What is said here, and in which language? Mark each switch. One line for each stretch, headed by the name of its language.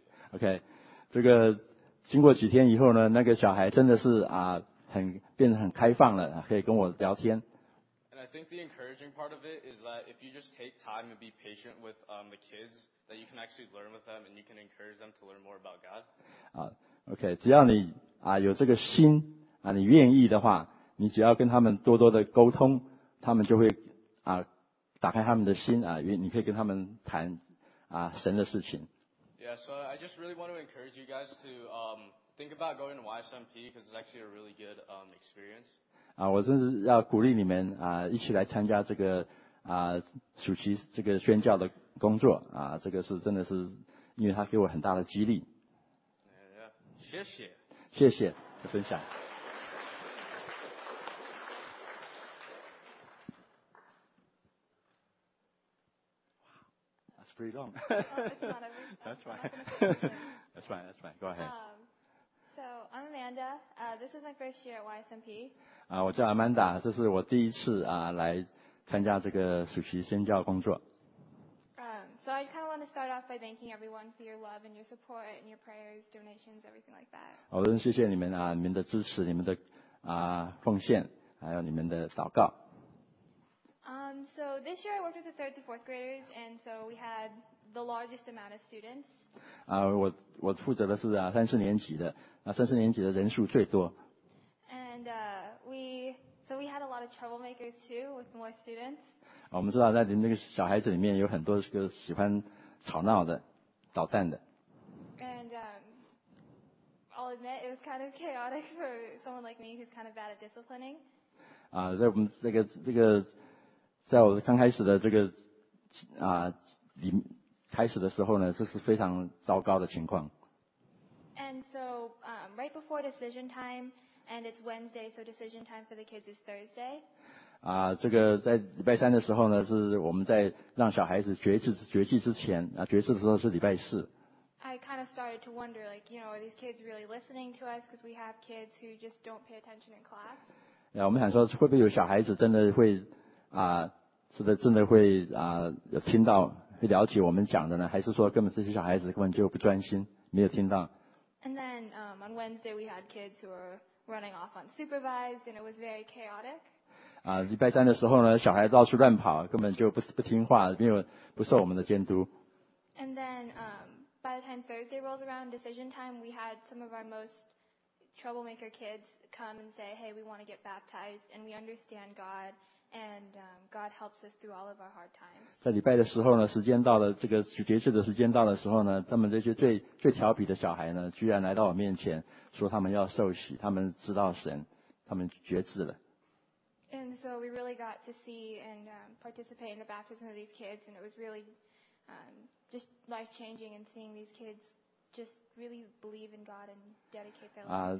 Chinese: Okay, 这个经过几天以后呢，那个小孩真的是啊，很变得很开放了，可以跟我聊天。
English: And I think the encouraging part of it is that if you just take time and be patient with the kids, that you can actually learn with them and you can encourage them to learn more about God.
Chinese: Okay, 只要你啊有这个心啊，你愿意的话，你只要跟他们多多的沟通。他们就会啊，打开他们的心啊，你可以跟他们谈啊神的事情。
English: Yeah, so I just really want to encourage you guys to think about going to YSMP because it's actually a really good experience.
Chinese: 啊，我真是要鼓励你们啊，一起来参加这个啊暑期这个宣教的工作啊，这个是真的是因为他给我很大的激励。
English: Yeah, yeah.
Chinese: 谢谢，谢谢分享。
English: Pretty long. That's fine. Go ahead. So I'm Amanda. This is my first year at YSMP.
Chinese: 啊，我叫 Amanda， 这是我第一次啊来参加这个暑期宣教工作。
English: So I kind of want to start off by thanking everyone for your love and your support and your prayers, donations, everything like that.
Chinese: 我真谢谢你们啊，你们的支持，你们的啊奉献，还有你们的祷告。
English: So this year I worked with the third to fourth graders, and so we had the largest amount of students.
Chinese: 啊，我负责的是啊三四年级的，那三四年级的人数最多。
English: And we had a lot of troublemakers too with more students.
Chinese: 啊，我们知道在那个小孩子里面有很多是个喜欢吵闹的、捣蛋的。
English: And I'll admit it was kind of chaotic for someone like me who's kind of bad at disciplining.
Chinese: 啊，在我们这个。在我刚开始的这个啊，开始的时候呢，这是非常糟糕的情况。
English: And so, right before decision time, and it's Wednesday, so decision time for the kids is Thursday.
Chinese: 啊，这个在礼拜三的时候呢，是我们在让小孩子决志之前啊，决志的时候是礼拜四。
English: I kind of started to wonder, like, you know, are these kids really listening to us? Because we have kids who just don't pay attention in class.
Chinese: 啊，我们想说，会不会有小孩子真的会？啊，是的，真的会啊，有听到，会了解我们讲的呢？还是说，根本这些小孩子根本就不专心，没有听到
English: ？And then, on Wednesday we had kids who were running off unsupervised, and it was very chaotic.
Chinese: 啊，礼拜三的时候呢，小孩到处乱跑，根本就不听话，没有不受我们的监督。
English: And then, by the time Thursday rolls around, decision time, we had some of our most troublemaker kids come and say, "Hey, we want to get baptized, and we understand God." And God helps us through all of our hard times.
Chinese: 在礼拜的时候呢，时间到了，这个决志的时间到的时候呢，他们这些最调皮的小孩呢，居然来到我面前，说他们要受洗，他们知道神，他们决志了。
English: And so we really got to see and participate in the baptism of these kids, and it was really just life changing and seeing these kids just really believe in God and dedicate their lives.